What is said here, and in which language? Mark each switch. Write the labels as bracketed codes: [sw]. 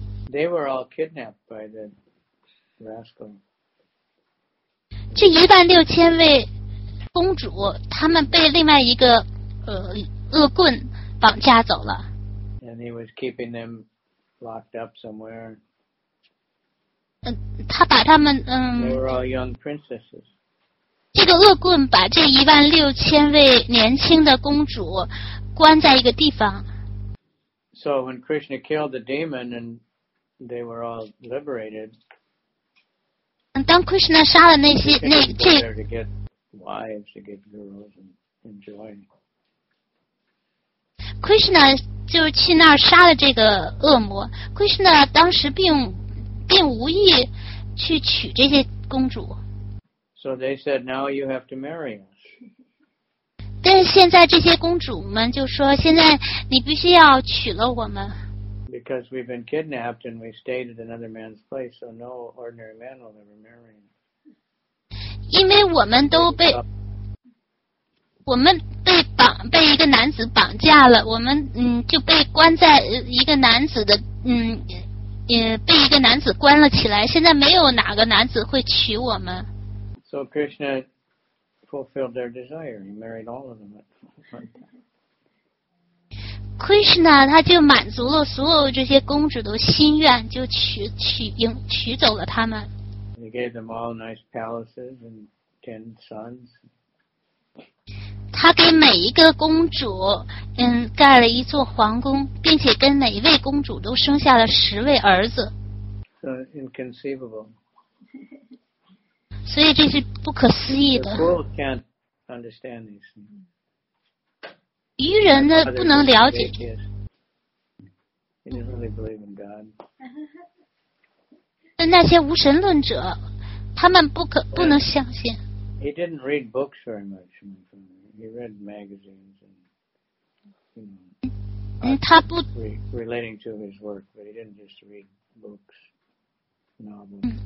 [en] They were all kidnapped by the rascal. [zh] 这16,000位公主，她们被另外一个恶棍绑架走了。 [en] And he was keeping them locked up somewhere. [zh] 他把他们 [en] They were all young princesses. [zh] 这个恶棍把这16,000位年轻的公主关在一个地方。 [en] So when Krishna killed the demon and they were all liberated. [zh] 当 Krishna 杀了那些那这 [en] to get wives, to get girls and enjoy. [zh] Krishna 就是去那儿杀了这个恶魔。 Krishna 当时并无意去娶这些公主。 [en] So they said, now you have to marry us. [zh] 但是现在这些公主们就说，现在你必须要娶了我们。 [en] Because we've been kidnapped and we stayed at another man's place, so no ordinary man will ever marry. [zh] 因为我们被绑被一个男子绑架了，我们就被关在一个男子的被一个男子关了起来。现在没有哪个男子会娶我们。 [en] So Krishna fulfilled their desire. He married all of them at once. [zh] Krishna 他就满足了所有这些公主的心愿，就娶走了他们。 [en] He gave them all nice palaces and 10 sons. [zh] 他给每一个公主盖了一座皇宫，并且跟每一位公主都生下了10位儿子。 [en] So inconceivable. [zh] 所以这是不可思议的。 [en] The world can't understand these things. [zh] 愚人呢不能了解。 [en] He doesn't really believe in God. [zh] 但那些无神论者，他们不能相信。 [en] He didn't read books very much. He read magazines and, you know, relating to his work, but he didn't just read books, novels.